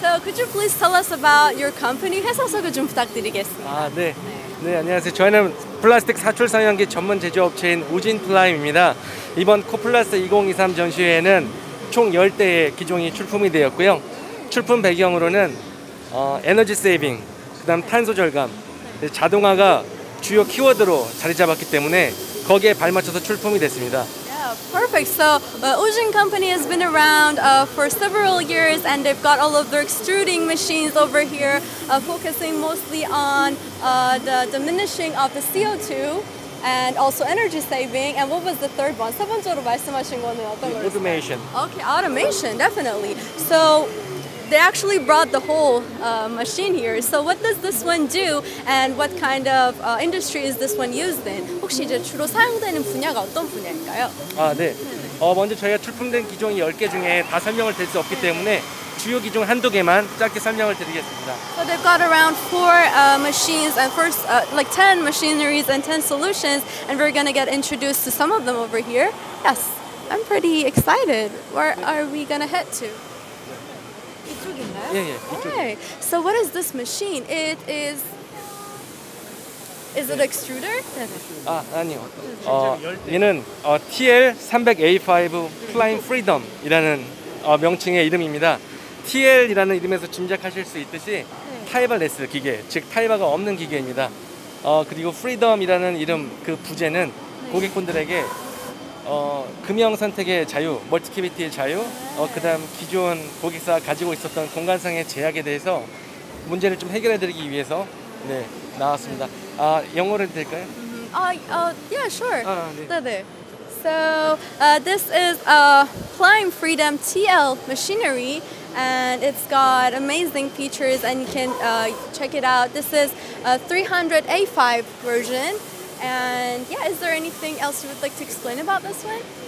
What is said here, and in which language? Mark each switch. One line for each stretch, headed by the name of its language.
English: So could you please tell us about your company?
Korean: 회사 소개 좀 부탁드리겠습니다. 아, 네. 네, 안녕하세요. 저희는 플라스틱 사출성형기 전문 제조업체인 우진플라임입니다. 이번 코플라스 2023 전시회에는 총 10대의 기종이 출품이 되었고요. 출품 배경으로는 에너지 세이빙, 그 다음 탄소 절감, 자동화가 주요 키워드로 자리 잡았기 때문에 거기에 발맞춰서 출품이 됐습니다.
English: Perfect. So, Uzin company has been around for several years, and they've got all of their extruding machines over here, focusing mostly on the diminishing of the CO2 and also energy saving. And what was the third one?
Korean: 세 번째로 말씀하신 거는 어떤 거예요?
English: Automation. Okay, automation, definitely. So, they actually brought the whole machine here. So, what does this one do, and what kind of industry is this one used in?
Korean: 혹시 이제 주로 사용되는 분야가 어떤 분야일까요? 아, 네. 먼저 저희가 출품된 기종이 10개 중에 다 설명을 드릴 수 없기 때문에 주요 기종 한두 개만 짧게 설명을 드리겠습니다.
English: So they've got around four machines and first like 10 machineries and 10 solutions, and we're going to get introduced to some of them over here. Yes. I'm pretty excited. Where are we going to head to?
Korean: 이쪽인가요? 예, 예. 이쪽.
English: Okay. So what is this machine? It is Is it extruder?
Korean: 아, 아니요. 얘는 TL300A5 Flying Freedom이라는 명칭의 이름입니다. TL이라는 이름에서 짐작하실 수 있듯이 타이버레스 기계, 즉 타이버가 없는 기계입니다. 그리고 Freedom이라는 이름 그 부제는 고객분들에게 금형 선택의 자유, 멀티캐비티의 자유, 그다음 기존 고객사가 가지고 있었던 공간상의 제약에 대해서 문제를 좀 해결해드리기 위해서 네, 나왔습니다. 아, 영어로 해도 될까요?
English: Yeah, sure.
Korean: 아, 네. 네, 네.
English: So, this is a Flying Freedom TL machinery, and it's got amazing features, and you can check it out. This is a 300A5 version, and yeah, is there anything else you would like to explain about this one?